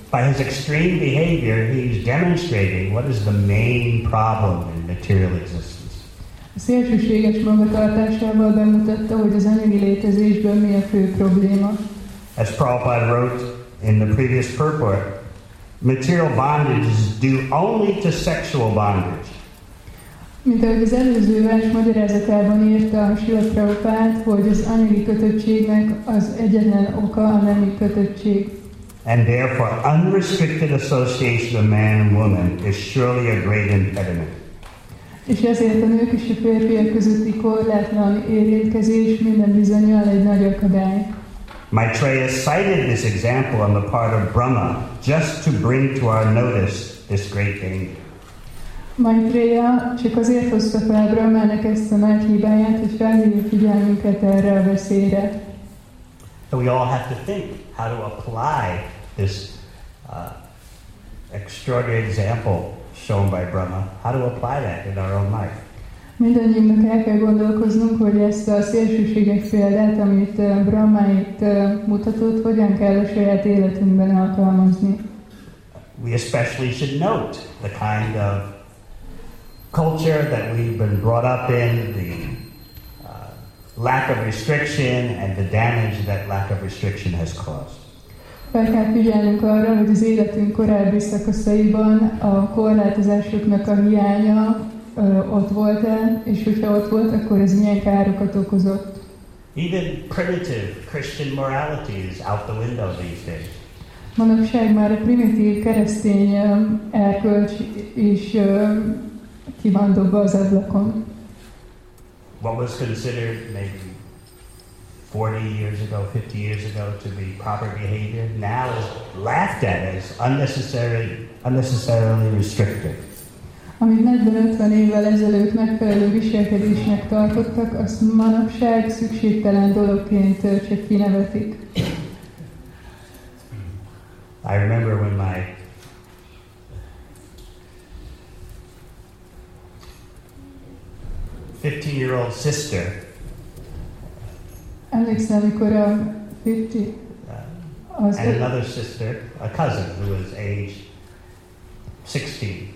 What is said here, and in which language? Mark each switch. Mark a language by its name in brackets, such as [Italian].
[English] By his extreme behavior, he's demonstrating what is the main problem in material existence. [Hungarian] A szélsőséges magatartásával bemutatta, hogy az anyagi létezésben mi a fő probléma. [English] As Prabhupada wrote in the previous purport, material bondage is due only to sexual bondage. [Hungarian] Mint ahogy az előző vers magyarázatában írta a Srila Prabhupada, hogy az anyagi kötöttségnek az egyetlen oka a nemi kötöttség. [English] And therefore, unrestricted association of man and woman is surely a great impediment. [Hungarian] És ezért a nők és a férfiak közötti korlátlan érintkezés minden bizonnyal egy nagy akadály. [English] Maitreya cited this example on the part of Brahma just to bring to our notice this great danger. [Hungarian] Maitreya csak azért hozta fel Brahmának ezt a nagy hibáját, hogy felhívja figyelmünket erre a veszélyre. [English] So we all have to think how to apply this extraordinary example shown by Brahma, how to apply that in our own life. [Hungarian] Mindannyiunknak el kell gondolkoznunk, hogy ezt a szélsőséges példát, amit Brahma itt mutatott, hogyan kell a saját életünkben alkalmazni. [English] We especially should note the kind of culture that we've been brought up in, the lack of restriction and the damage that lack of restriction has caused. [Hungarian] Fel kell figyelnünk arra, hogy az életünk korábbi szakaszaiban a korlátozásoknak a hiánya ott volt el, és hogyha ott volt, akkor ez milyen károkat okozott. [English] Even primitive Christian morality is out the window these days. [Hungarian] Manapság már a primitív keresztény erkölcs is ki van dobva az ablakon. [English] What was considered maybe 40 years ago, 50 years ago to be proper behavior now is laughed at as unnecessarily restrictive. [Hungarian] Amit 40-50 évvel ezelőtt megfelelő viselkedésnek tartottak, azt manapság szükségtelen dologként csak kinevetik. [English] I remember when my fifteen-year-old sister. [Hungarian] Emlékszem, amikor a [English] and another sister, a cousin who was age 16.